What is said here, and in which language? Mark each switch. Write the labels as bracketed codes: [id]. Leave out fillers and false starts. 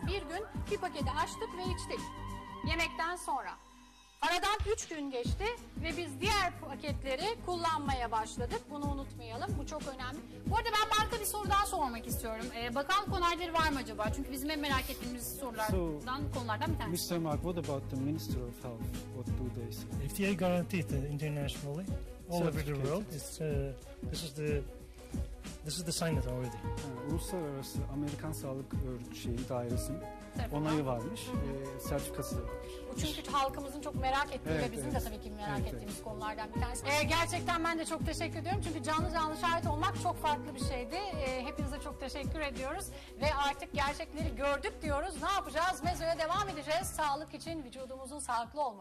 [tr] Bir gün bir paketi açtık ve içtik. Yemekten sonra. Aradan 3 gün geçti ve biz diğer paketleri kullanmaya başladık. Bunu unutmayalım. Bu çok önemli. Bu arada ben Mark'a bir soru daha sormak istiyorum. Bakan konayları var mı acaba? Çünkü bizim en merak ettiğimiz sorulardan, konulardan bir tanesi. [en] Mr. Mark, what about the Minister of Health? What do they say? FDA guaranteed internationally. All over the world, this is the sign that already. [tr] Uluslararası Amerikan Sağlık Örgütü Dairesi'nin onayı varmış, sertifikası da varmış. Bu çünkü halkımızın çok merak ettiği ve bizim de tabii ki merak ettiğimiz konulardan bir tanesi. Gerçekten ben de çok teşekkür ediyorum çünkü canlı canlı şahit olmak çok farklı bir şeydi. Hepinize çok teşekkür ediyoruz ve artık gerçekleri gördük diyoruz. Ne yapacağız? Mezoya devam edeceğiz. Sağlık için, vücudumuzun sağlıklı olması.